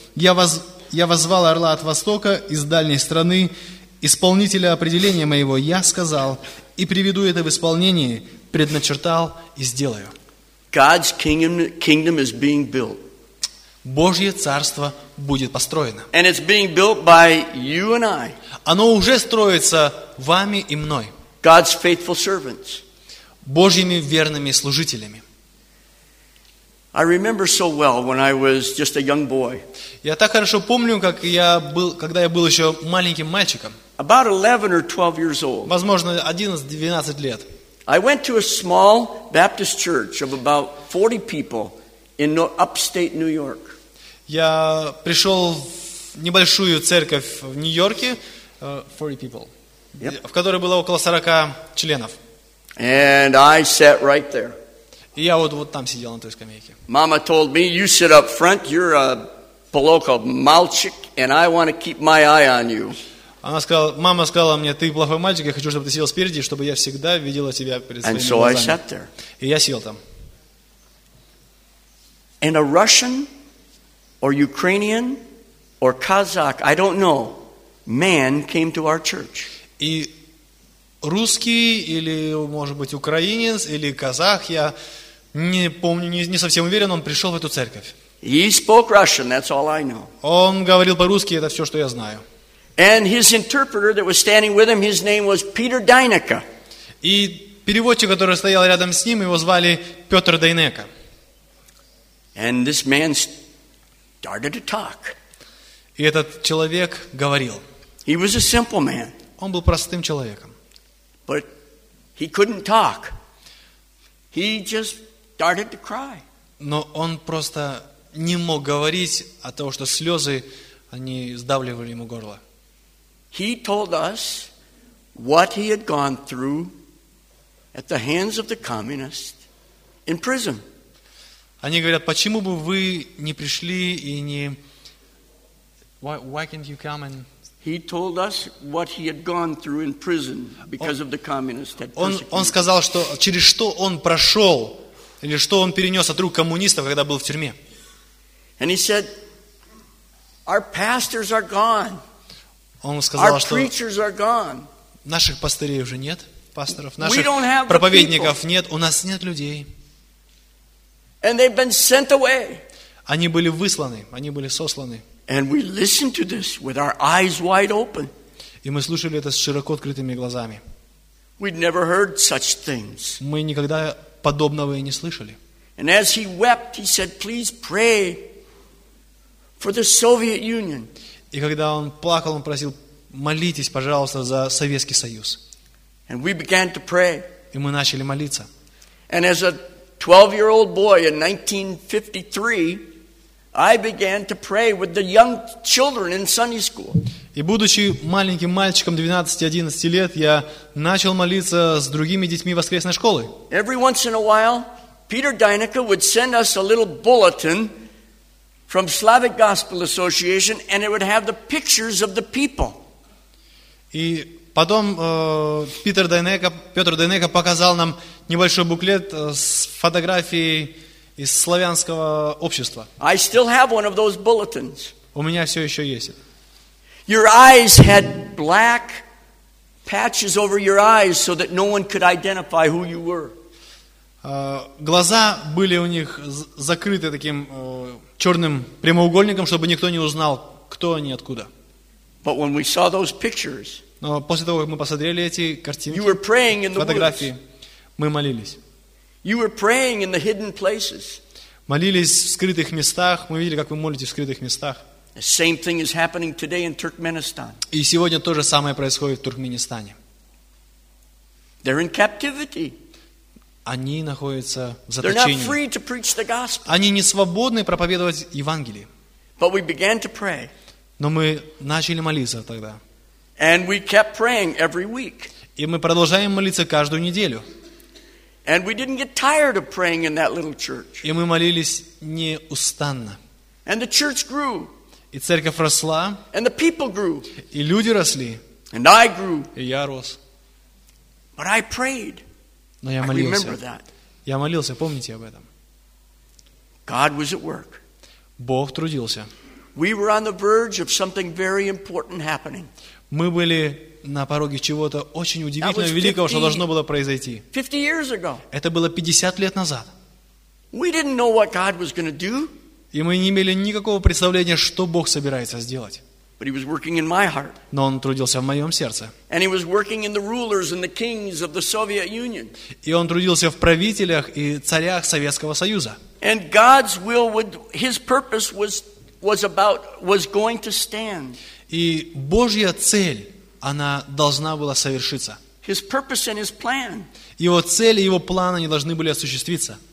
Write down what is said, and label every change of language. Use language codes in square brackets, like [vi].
[ru] Я воззвал орла от востока, из дальней страны, исполнителя определения моего я сказал, и приведу это в исполнение, предначертал и сделаю. [en] God's kingdom is being built. [ru] Божье царство будет построено. [en] And it's being built by you and I. [ru] Оно уже строится вами и мной. [en] God's faithful servants. [ru] Божьими верными служителями. [en] I remember so well when I was just a young boy. [ru] Я так хорошо помню, как я был, когда я был еще маленьким мальчиком. [en] About 11 or 12 years old. [ru] Возможно, 11-12 лет. [en] I went to a small Baptist church of about 40 people in upstate New York. [ru] Я пришел в небольшую церковь в Нью-Йорке, [en] 40 people, yep. [ru] В которой было около 40 членов. [en] And I sat right there. [ru] И я вот там сидел на той скамейке. [en] Mama told me, you sit up front, you're a [ru] plocha malchik, [en] and I want to keep my eye on you. [ru] Она сказала, мама сказала мне, ты плохой мальчик, я хочу, чтобы ты сидел спереди, чтобы я всегда видела тебя перед [en] and so [ru] глазами. И я сел там. [en] And a Russian, or Ukrainian, or Kazakh, I don't know, man came to our church. [ru] И русский, или, может быть, украинец, или казах, я не помню, не совсем уверен, он пришел в эту церковь. [en] He spoke Russian, that's all I know. [ru] Он говорил по-русски, это все, что я знаю. [en] And his interpreter that was standing with him, his name was Peter Dynaka. [ru] И переводчик, который стоял рядом с ним, его звали Петр Дайнека. [en] And this man started to talk. [ru] И этот человек говорил. [en] He was a simple man. [ru] Он был простым человеком. [en] But he couldn't talk. He just started to cry. [ru] Но он просто не мог говорить от того, что слезы, они сдавливали ему горло. [en] He told us what he had gone through at the hands of the communists in prison. [ru] Они говорят, почему бы вы не пришли и не... [en] Why can't you come and... He told us what he had gone through in prison because of the communists had persecuted. [ru] Он сказал, что через что он прошел или что он перенес от рук коммунистов, когда был в тюрьме. [en] And he said, "Our pastors are gone. [ru] Он сказал, [en] our preachers are gone. [ru] Наших пастырей уже нет, пасторов. Наших проповедников нет. У нас нет людей. [en] And they've been sent away. [ru] Они были высланы. Они были сосланы." [en] And we listened to this with our eyes wide open. [ru] И мы слушали это с широко открытыми глазами. [en] We'd never heard such things. [ru] Мы никогда подобного и не слышали. [en] And as he wept, he said, "Please pray for the Soviet Union." [ru] И когда он плакал, он просил, молитесь, пожалуйста, за Советский Союз. [en] And we began to pray. [ru] И мы начали молиться. [en] And as a 12-year-old boy in 1953. I began to pray with the young children in Sunday school. [ru] И будучи маленьким мальчиком 12-11 лет, я начал молиться с другими детьми воскресной школы. [en] Every once in a while, Peter Dynaka would send us a little bulletin from Slavic Gospel Association, and it would have the pictures of the people. [ru] И потом Петр Дайнека показал нам небольшой буклет с фотографией из славянского общества. [en] I still have one of those bulletins. [ru] У меня все еще есть. [en] Your eyes had black patches over your eyes so that no one could identify who you were. [ru] Глаза были у них закрыты таким черным прямоугольником, чтобы никто не узнал, кто они и откуда. [en] But when we saw those pictures, [ru] но после того, как мы посмотрели эти картинки, [en] you were praying in the [ru] фотографии, [en] woods. [ru] Мы молились. [en] You were praying in the hidden places. [ru] Молились в скрытых местах. Мы видели, как вы молитесь в скрытых местах. [en] The same thing is happening today in Turkmenistan. [ru] И сегодня то же самое происходит в Туркменистане. [en] They're in captivity. [ru] Они находятся в заточении. [en] They're not free to preach the gospel. [ru] Они не свободны проповедовать Евангелие. [en] But we began to pray. [ru] Но мы начали молиться тогда. [en] And we kept praying every week. [ru] И мы продолжаем молиться каждую неделю. [en] And we didn't get tired of praying in that little church. [ru] И мы молились неустанно. [en] And the church grew. [ru] И церковь росла. [en] And the people grew. [ru] И люди росли. [en] And I grew. [ru] И я рос. [en] But I prayed. [ru] Но я молился. [en] I remember that. [ru] Я молился, помните об этом. [en] God was at work. [ru] Бог трудился. [en] We were on the verge of something very important happening. [ru] Мы были на пороге чего-то очень удивительного, великого, что должно было произойти. [en] 50 years ago. [ru] Это было 50 лет назад. [en] We didn't know what God was going to do. [ru] И мы не имели никакого представления, что Бог собирается сделать. [en] But he was working in my heart. [ru] Но он трудился в моем сердце. [en] And he was working in the rulers and the kings of the Soviet Union. [ru] И он трудился в правителях и царях Советского Союза. [en] And God's will, his purpose was going to stand. [ru] И Божья цель, она должна была совершиться. [en] His purpose and his plan. [ru] Его цель и его план, они должны были осуществиться.